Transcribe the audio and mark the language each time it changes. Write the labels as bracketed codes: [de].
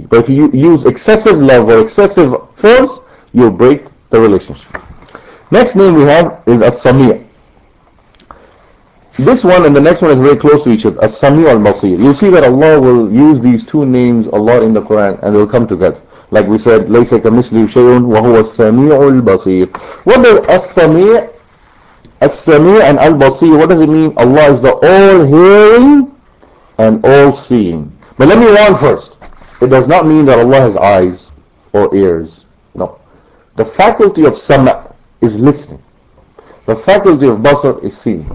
[en] But if you use excessive love or excessive force, you'll break the relationship. Next name we have is As-Sami'. This one and the next one is very close to each other. As-Sami' al-Basir. You see that Allah will use these two names a lot in the Quran, and they'll come together. Like we said, [ar] لَيْسَ كَمِثْلِهِ شَيْءٌ وَهُوَ السَّمِيعُ الْبَصِيرُ. [en] What does As-Sami' and al-Basir, what does it mean? Allah is the all-hearing and all-seeing. But let me warn first. It does not mean that Allah has eyes or ears. No. The faculty of Sama' is listening. The faculty of Basar is seeing.